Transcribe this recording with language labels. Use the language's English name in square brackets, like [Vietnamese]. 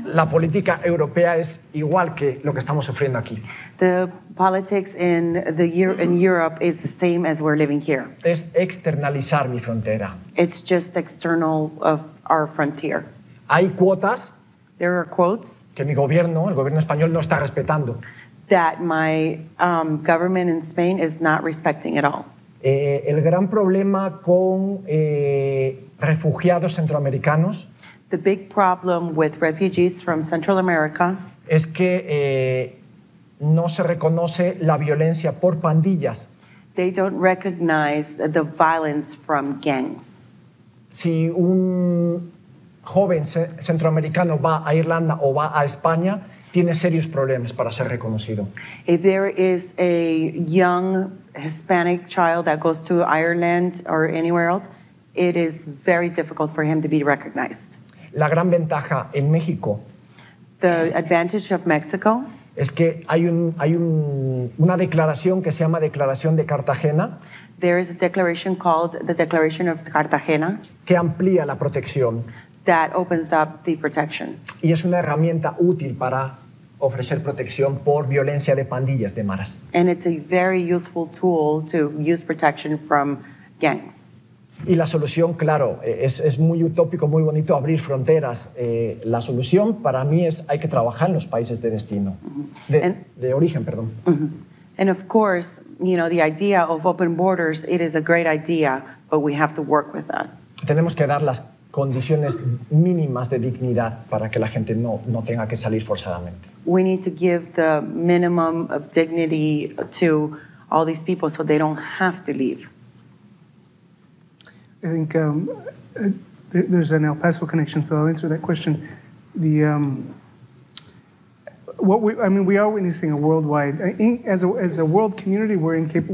[Spanish] La política europea es igual que lo que estamos sufriendo aquí. [English] The politics in Europe is the same as we're living here. [Spanish] Es externalizar mi frontera. [English] It's just external of our frontier. [Spanish] Hay cuotas. [English] There are quotas. [Spanish] Que mi gobierno, el gobierno español, no está respetando. [English] That my government in Spain is not respecting at all. [Spanish] El gran problema con refugiados centroamericanos. [English] The big problem with refugees from Central America [Spanish] es que no se reconoce la violencia por pandillas. [English] They don't recognize the violence from gangs. [Spanish] Si un joven centroamericano va a Irlanda o va a España, tiene serios problemas para ser reconocido. [English] If there is a young Hispanic child that goes to Ireland or anywhere else, it is very difficult for him to be recognized. [Spanish] La gran ventaja en México. [English] The advantage of Mexico. [Spanish] Es que hay una declaración que se llama Declaración de Cartagena. [English] There is a declaration called the Declaration of Cartagena. [Spanish] Que amplía la protección. [English] That opens up the protection. [Spanish] Y es una herramienta útil para ofrecer protección por violencia de pandillas de maras. [English] And it's a very useful tool to use protection from gangs. [Spanish] Y la solución, claro, es muy utópico, muy bonito abrir fronteras. La solución para mí es hay que trabajar en los países de destino, de origen, perdón. [English] And of course, you know, the idea of open borders, it is a great idea, but we have to work with that. [Spanish] Tenemos que dar las condiciones mínimas de dignidad para que la gente no tenga que salir forzadamente. [English] We need to give the minimum of dignity to all these people so they don't have to leave. I think there's an El Paso connection, so I'll answer that question. We are witnessing a worldwide, as a world community, we're incapable.